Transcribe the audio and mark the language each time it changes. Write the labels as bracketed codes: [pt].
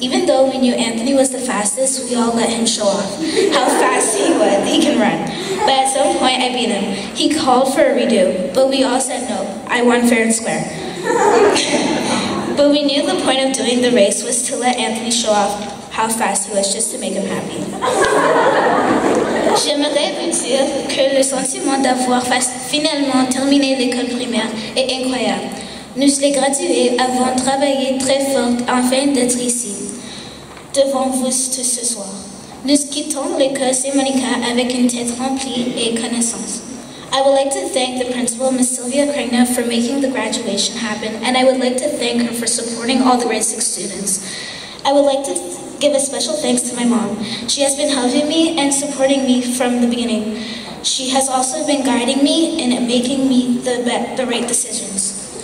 [en] Even though we knew Anthony was the fastest, we all let him show off how fast he was. He can run. But at some point, I beat him. He called for a redo, but we all said no. I won fair and square. But we knew the point of doing the race was to let Anthony show off how fast he was, just to make him happy. [fr] J'aimerais vous dire que le sentiment d'avoir finalement terminé l'école primaire est incroyable. Nous les gradués avons travaillé très fort afin d'être ici, devant vous tous ce soir. Nous quittons l'école Saint-Monica avec une tête remplie et connaissance. [en] I would like to thank the principal, Ms. Sylvia Cragna, for making the graduation happen, and I would like to thank her for supporting all the grade 6 students. I would like to give a special thanks to my mom. She has been helping me and supporting me from the beginning. She has also been guiding me and making me the right decisions.